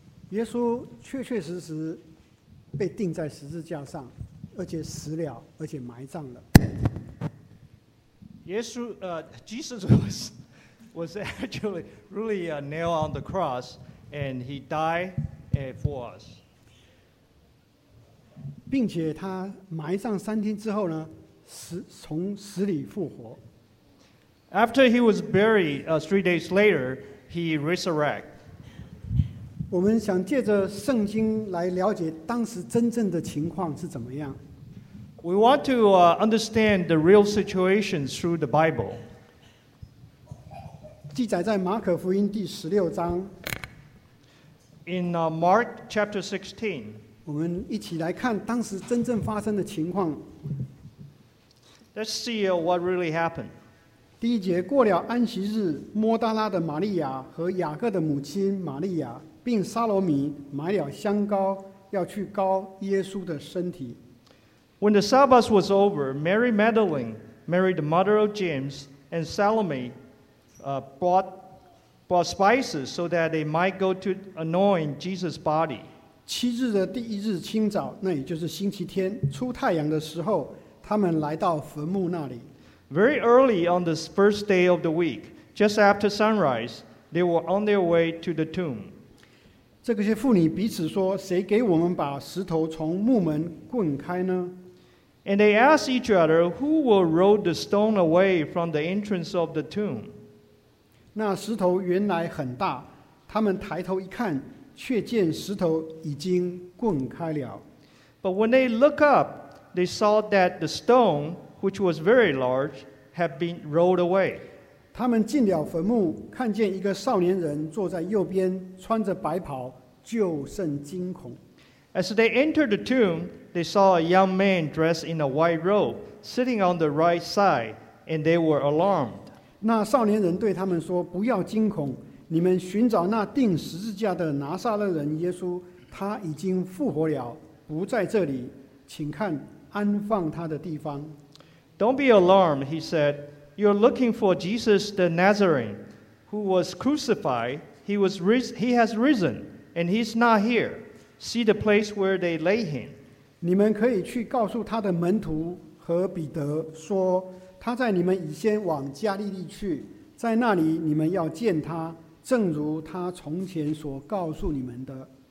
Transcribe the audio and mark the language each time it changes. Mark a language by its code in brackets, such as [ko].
[zh] 耶稣确确实实被钉在十字架上，而且死了，而且埋葬了。 [en] 耶稣Jesus was actually really nailed on the cross, and he died for us. [zh] 并且他埋葬三天之后呢，从死里复活。 [en] After he was buried, three days later, he resurrected. [zh] 我们想借着圣经来了解当时真正的情况是怎么样。 [en] We want to understand the real situation through the Bible. [zh] 记载在马可福音第十六章。 [en] In Mark chapter 16. [zh] 我们一起来看当时真正发生的情况。 [en] Let's see what really happened. [zh] 第一节，过了安息日，摩大拉的玛利亚和雅各的母亲玛利亚并沙罗米买了香膏，要去膏耶稣的身体。 [en] When the Sabbath was over, Mary Magdalene, Mary the mother of James, and Salome bought spices so that they might go to anoint Jesus' body. [zh] 七日的第一日清早，那也就是星期天，出太阳的时候，他们来到坟墓那里。 [en] Very early on the first day of the week, just after sunrise, they were on their way to the tomb. [zh] 这些妇女彼此说，谁给我们把石头从墓门滚开呢？ [en] And they asked each other, who will roll the stone away from the entrance of the tomb? [zh] 那石头原来很大，他们抬头一看，却见石头已经滚开了。 [en] But when they look up, they saw that the stone,which was very large, had been rolled away. [zh] 他们进了坟墓，看见一个少年人坐在右边，穿着白袍，就甚惊恐。 [en] As they entered the tomb, they saw a young man dressed in a white robe, sitting on the right side, and they were alarmed. [zh] 那少年人对他们说，不要惊恐，你们寻找那钉十字架的拿撒勒人耶稣，他已经复活了，不在这里，请看安放他的地方。 [en] Don't be alarmed, he said. You're looking for Jesus the Nazarene, who was crucified. He has risen, and he's not here. See the place where they lay him. [zh] 你们可以去告诉他的门徒和彼得说，他在你们以先往加利利去，在那里你们要见他，正如他从前所告诉你们的。